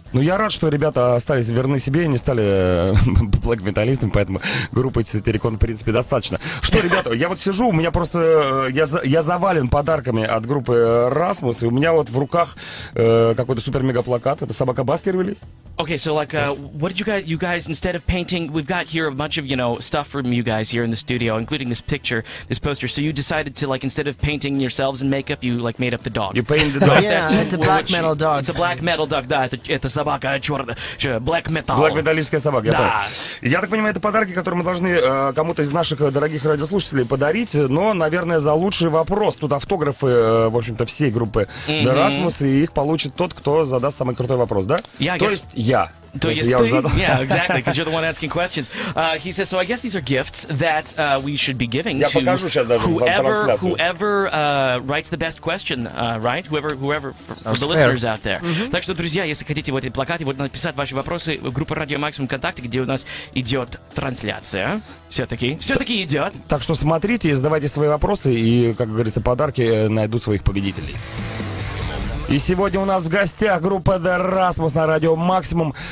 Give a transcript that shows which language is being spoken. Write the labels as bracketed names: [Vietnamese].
[Russian] Ну, я рад, что ребята остались верны себе и не стали блэк-металлистами, поэтому группы «Сатирикон», в принципе, достаточно. Что, ребята, я вот сижу, у меня просто... Я завален подарками от группы «Эразмус», и у меня вот в руках какой-то супер-мега-плакат. Это «Собака Баскервилей». [English] Okay, so, like, what did you guys... You guys, instead of painting... We've got here a bunch of, you know, stuff from you guys here in the studio, including this picture, this poster. So you decided to, like, instead of painting yourselves in makeup, you, like, made up the dog. You painted the dog. Yeah, it's a black metal dog. It's a black metal dog, [Russian] да, это собака, чёрная, [English] black metal. [Russian] Блэк-металлистская собака, да. Я так понимаю, это подарки, которые мы должны кому-то из наших дорогих радиослушателей подарить, но, наверное, за лучший вопрос. Тут автографы, в общем-то, всей группы «Эразмус», и их получит тот, кто задаст самый крутой вопрос, да? Я. [English] Yeah, exactly, because you're the one asking questions. He says, so I guess these are gifts that we should be giving to whoever writes the best question, right? Whoever, for the listeners out there. [Russian] Так что, друзья, если хотите в этой плакате, вот написать ваши вопросы в группу «Радио Максимум ВКонтакте», где у нас идет трансляция. Все-таки идет. Так что смотрите, задавайте свои вопросы, и, как говорится, подарки найдут своих победителей. И сегодня у нас в гостях группа «Эразмус» на радио «Максимум».